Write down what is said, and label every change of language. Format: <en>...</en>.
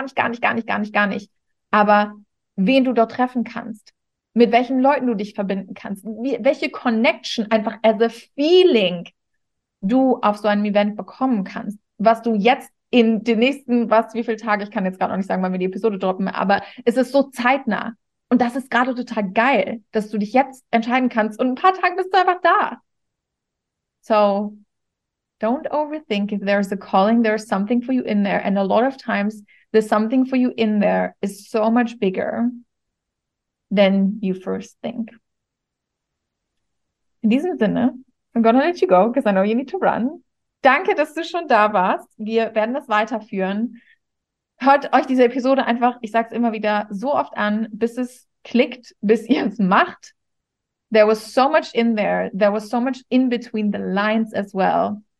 <de>Gar nicht. Aber wen du dort treffen kannst, mit welchen Leuten du dich verbinden kannst, welche Connection einfach</de> <en>as a feeling</en> <de>du auf so einem Event bekommen kannst, was du jetzt in den nächsten, was, wie viele Tage, ich kann jetzt gerade noch nicht sagen, wann wir die Episode droppen, aber es ist so zeitnah. Und das ist gerade total geil, dass du dich jetzt entscheiden kannst und ein paar Tage bist du einfach da.</de> <en>So, don't overthink. If there's a calling, there's something for you in there. And a lot of times, the something for you in there is so much bigger than you first think.</en> <de>In diesem Sinne,</de> <en>I'm gonna let you go, because I know you need to run.</en> <de>Danke, dass du schon da warst. Wir werden das weiterführen. Hört euch diese Episode einfach, ich sag's immer wieder, so oft an, bis es klickt, bis ihr es macht.</de> <en>There was so much in there. There was so much in between the lines as well.</en>